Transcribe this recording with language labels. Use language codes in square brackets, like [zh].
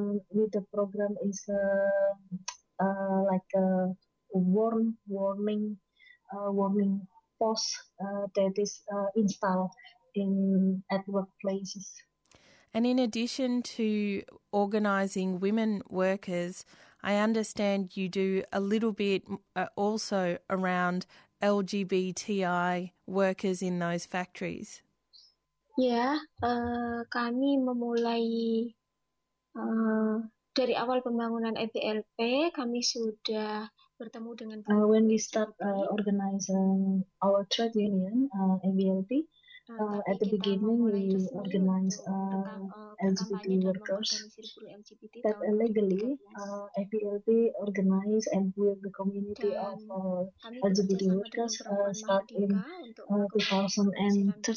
[en] With the program is like a warning post that is installed at workplaces. And in addition to organizing women workers, I understand you do a little bit also around LGBTI workers in those factories. [id] Yeah, kami memulai dari awal pembangunan ABLP, kami sudah bertemu dengan. [en] When we start organizing our trade union, ABLP, at the beginning we organize LGBT workers. That illegally, ABLP organize and build the community of LGBT workers start in 2013.